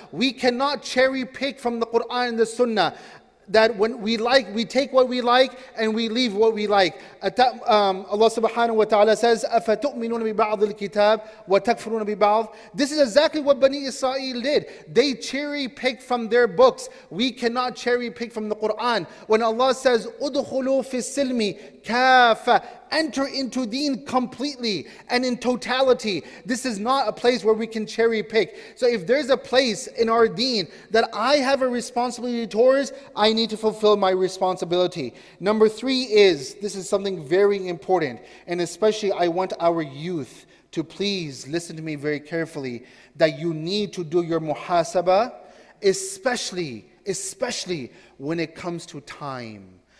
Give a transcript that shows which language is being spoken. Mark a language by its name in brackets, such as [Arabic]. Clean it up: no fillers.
[English] We cannot cherry pick from the Quran and the Sunnah. That when we like, we take what we like and we leave what we like. Allah subhanahu wa ta'ala says, [Arabic] أَفَتُؤْمِنُونَ بِبَعْضِ الْكِتَابِ وَتَكْفُرُونَ بِبَعْضِ. [English] This is exactly what Bani Israel did. They cherry picked from their books. We cannot cherry pick from the Quran. When Allah says, [Arabic] أُدْخُلُوا فِي السِّلْمِ كَافَ. [English] Enter into deen completely and in totality. This is not a place where we can cherry pick. So if there's a place in our deen that I have a responsibility towards, I need to fulfill my responsibility. Number three is, this is something very important, and especially I want our youth to please listen to me very carefully, that you need to do your muhasaba, especially when it comes to time.